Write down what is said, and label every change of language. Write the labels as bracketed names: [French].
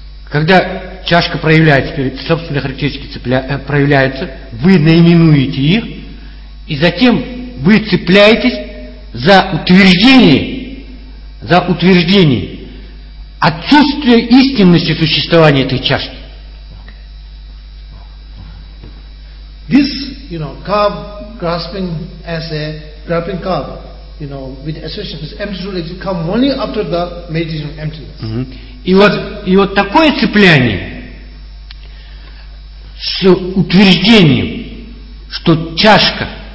[Russian] Когда чашка проявляется перед собственной характеристикой проявляется, вы наименуете их, и затем вы цепляетесь за утверждение. За утверждение отсутствия истинности существования этой чашки. [English] This, you know, cup grasping as a grasping cup, you know, with assertion is empty truly exists, come only after the meditation of emptiness. [Russian] И вот такое цепляние с утверждением, что чашка